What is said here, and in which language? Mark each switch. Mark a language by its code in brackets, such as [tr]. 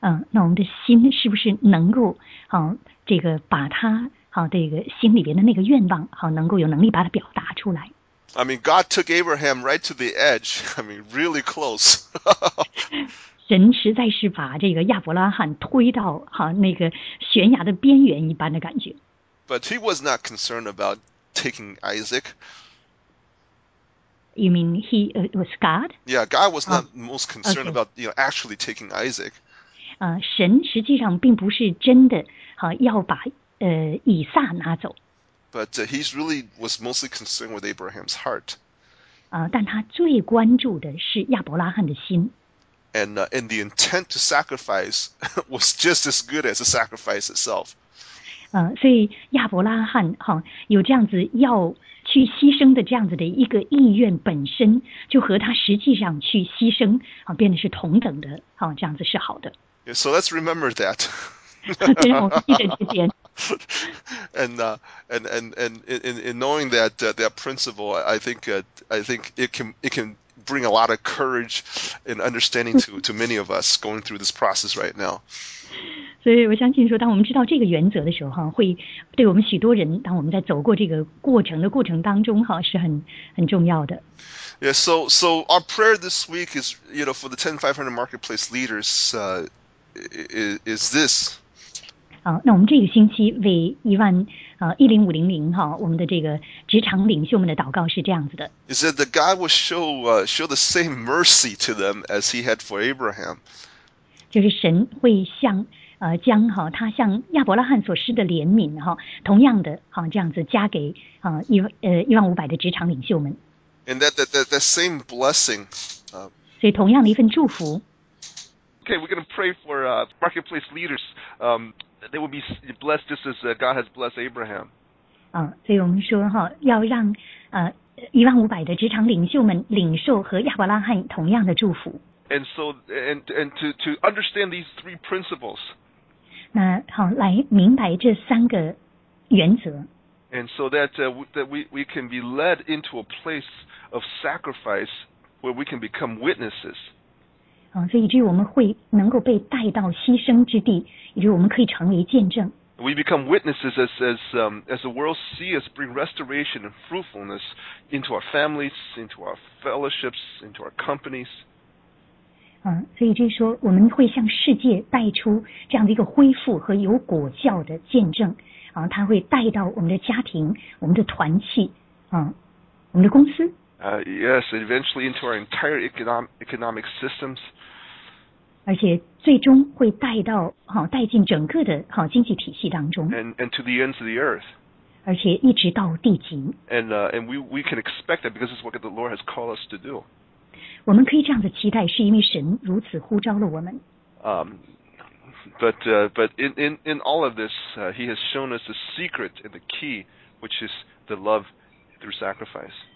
[zh] 那我们的心是不是能够这个把他这个心里边的那个愿望能够有能力把它表达出来。 [en] I mean, God took Abraham right to the edge. I mean, really close. [zh] 神实在是把这个亚伯拉罕推到那个悬崖的边缘一般的感觉。 [en] But he was not concerned about taking Isaac. You mean he was God? Yeah, God was not most concerned about, you know, actually taking Isaac. [zh] 神实际上并不是真的要把以撒拿走。 [en] But he really was mostly concerned with Abraham's heart. [zh] 但他最关注的是亚伯拉罕的心。 [en] And the intent to sacrifice was just as good as the sacrifice itself. [zh] 所以亚伯拉罕有这样子要去牺牲的这样子的一个意愿本身，就和他实际上去牺牲变得是同等的这样子是好的。 [en] Yeah, so let's remember that. [zh] 对，我记得这点。 [en] And knowing that that principle, I think it can bring a lot of courage and understanding to many of us going through this process right now. [zh] 所以我相信说，当我们知道这个原则的时候，会对我们许多人，当我们在走过这个过程当中，是很重要的。 [en] Yeah, so our prayer this week is, you know, for the 10-500 marketplace leaders. Is this? [zh] 那我们这个星期为10500我们的这个职场领袖们的祷告是这样子的。 [en] Is that the God will show the same mercy to them as He had for Abraham? [zh] 就是神会像将他向亚伯拉罕所施的怜悯同样的这样子加给15000的职场领袖们。 [en] And that same blessing. [zh] 所以同样的一份祝福。 [en] Okay, we're going to pray for marketplace leaders. They will be blessed just as God has blessed Abraham. [zh] 所以我们说要让15000的职场领袖们领受和亚伯拉罕同样的祝福。 [en] And so, and to understand these three principles. [zh] 那好，来明白这三个原则。 [en] And so that we can be led into a place of sacrifice where we can become witnesses. [zh] 所以至于我们会能够被带到牺牲之地，以至于我们可以成为见证。 [en] We become witnesses as the world sees us bring restoration and fruitfulness into our families, into our fellowships, into our companies. [zh] 所以就是说我们会向世界带出这样的一个恢复和有果效的见证。它会带到我们的家庭，我们的团契，我们的公司。 [en] Yes, eventually into our entire economic systems. [zh] 而且最终会带到带进整个的经济体系当中。 [en] And to the ends of the earth. [zh] 而且一直到地极。 [en] And we can expect that because it's what the Lord has called us to do. [zh] 我们可以这样子期待，是因为神如此呼召了我们。 [en] But in all of this, he has shown us the secret and the key, which is the love through sacrifice.